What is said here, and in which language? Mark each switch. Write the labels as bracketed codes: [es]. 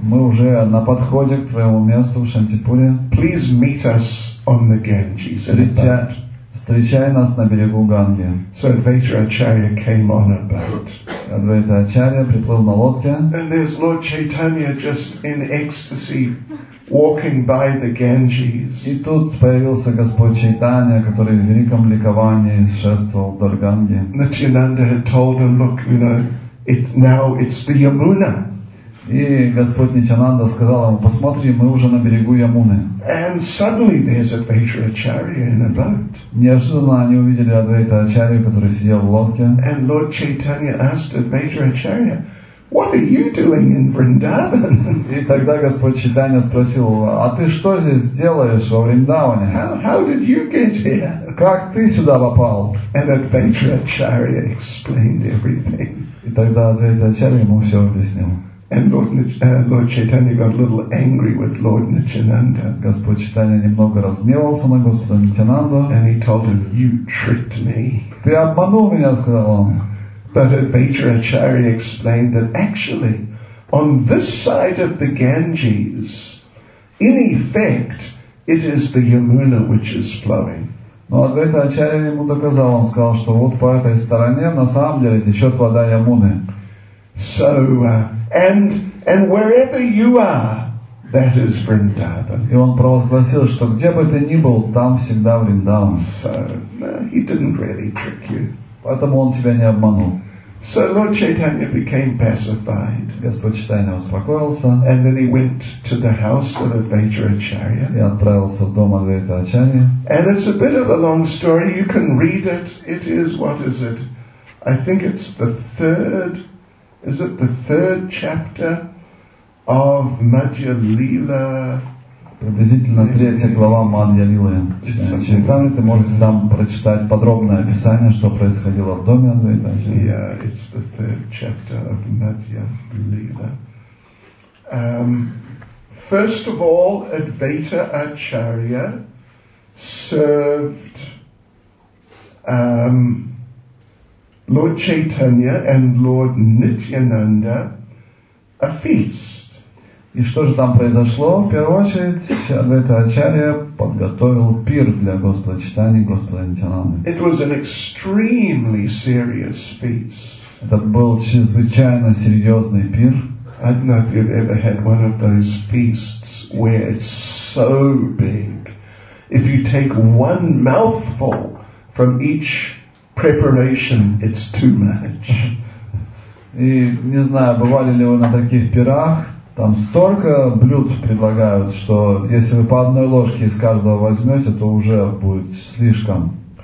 [ru] Мы уже на подходе к твоему месту в Шантипуре. [en] Please meet us on the Ganges. [ru] Встречай нас на берегу Ганги. [en] So Advaita Acharya came on a boat. [ru] Адвайта Ачарья приплыл на лодке. [en] And there's Lord Chaitanya just in ecstasy walking by the Ganges. [ru] И тут появился Господь Чайтанья, который в великом ликовании шествовал вдоль Ганги. [en] Nityananda had told him, look, you know, now it's the Yamuna. [ru] И Господь Нитянанда сказал ему, посмотри, мы уже на берегу Ямуны. [en] And suddenly there's Advaita Acharya in a boat. [ru] Неожиданно они увидели Адвайта Ачарью, который сидел в лодке. [en] And Lord Chaitanya asked Advaita Acharya, what are you doing in Vrindavan? [ru] И тогда Господь Чайтанья спросил, а ты что здесь делаешь во Вриндаване? [en] How did you get here? [ru] Как ты сюда попал? [en] And Advaita Acharya explained everything. [ru] И тогда Адвайта Ачарья ему все объяснил. [en] And Lord Chaitanya got a little angry with Lord Nityananda. [ru] Господь Чайтанья немного разгневался на Господа Нитянанду. [en] And he told him, you tricked me. [ru] Ты обманул меня, сказал он. [en] But Advaita Acharya explained that actually, on this side of the Ganges, in effect, it is the Yamuna which is flowing. [ru] Но Advaita Acharya ему доказал, он сказал, что вот по этой стороне на самом деле течет вода Ямуны. [en] So, and wherever you are, That is Vrindavan. [ru] И он провозгласил, что где бы ты ни был, там всегда Вриндаван. [en] So, no, he didn't really trick you. [ru] Поэтому он тебя не обманул. [en] So Lord Chaitanya became pacified. [ru] Господь Чайтанья успокоился. [en] And then he went to the house of Advaita Acharya. [ru] И отправился в дом Адвайта Ачарьи. [en] And it's a bit of a long story. You can read it. It is, what is it? I think it's the third. Is it the third chapter of Madhya Lila? [ru] Приблизительно третья глава Мадья Лилы. Чайтанья, ты можешь там прочитать подробное описание, что происходило в доме Адвайта Ачарьи. [en] Yeah, it's the third chapter of Madhya Lila. First of all, Advaita Acharya served Lord Chaitanya and Lord Nityananda a feast. [ru] И что же там произошло? В первую очередь, Адвайта Ачарья подготовил пир для Господа Чайтаньи и Господа Нитьянанды. [en] It was an extremely serious feast. [ru] Это был чрезвычайно серьезный пир. [en] I don't know if you've ever had one of those feasts where it's so big. If you take one mouthful from each preparation, it's too much. [ru] И не знаю, бывали ли вы на таких пирах. Там столько блюд предлагают, что если вы по одной ложке из каждого возьмете, то уже будет слишком.